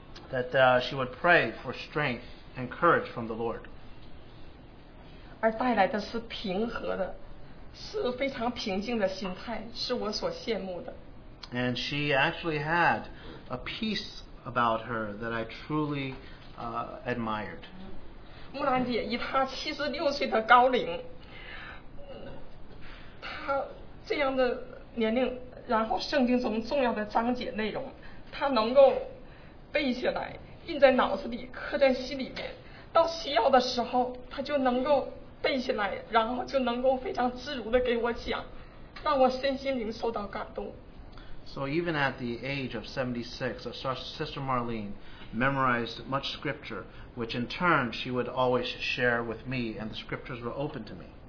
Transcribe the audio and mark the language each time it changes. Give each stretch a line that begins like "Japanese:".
English: That she would pray for strength and courage from the Lord.
Chinese: 而带来的是平和的, 是非常平静的心态, 是我所羡慕的。
English: And she actually had a peace about her that I truly admired.
Chinese: 木兰姐以她76岁的高龄, 她这样的年龄, 然后圣经中重要的章节内容, 她能够背下来, 印在脑子里, 刻在心里面, 到需要的时候, 她就能够背下来, 然后就能够非常自如地给我讲, 让我身心灵受到感动。
English: So even at the age of 76, Sister Marlene memorized much scripture, which in turn she would always share with me, and the scriptures were open to me.